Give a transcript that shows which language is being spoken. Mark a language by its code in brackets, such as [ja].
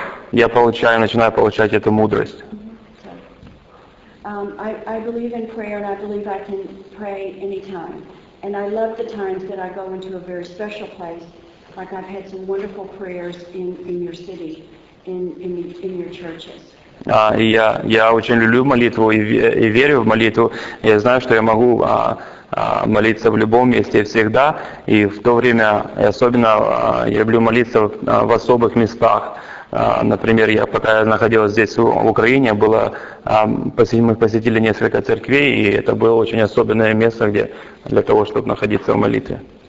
[ru] я получаю, начинаю получать эту мудрость. [en] I believe in prayer, and I believe I can pray anytime. And I love the times that I go into a very special place, like I've had some wonderful prayers in your city, in your churches. [ru] Я очень люблю молитву и верю в молитву. Я знаю, что я могу молиться в любом месте всегда, и в то время особенно я люблю молиться в особых местах. Например, я пока я находился здесь в Украине, мы посетили несколько церквей, и это было очень особенное место для того, чтобы находиться в молитве.